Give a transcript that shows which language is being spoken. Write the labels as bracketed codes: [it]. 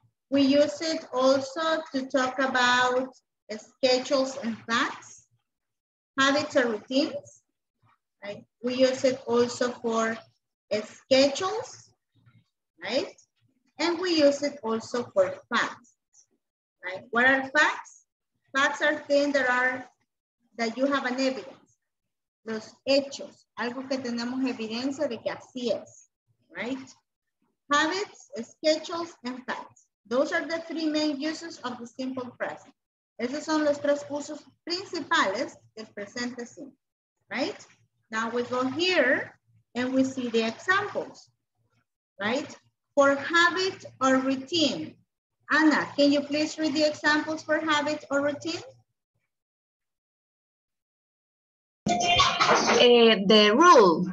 [en] We use it also to talk about schedules and facts, habits or routines, right? We use it also for schedules, right? And we use it also for facts, right? What are facts? Facts are things that are, that you have an evidence. [es] Los hechos, algo que tenemos evidencia de que así es, right? [en] Habits, schedules, and facts. Those are the three main uses of the simple present. [es] Esos son los tres usos principales del presente simple, right? [en] Now we go here and we see the examples, right? For habit or routine. Anna, can you please read the examples for habit or routine? the rule.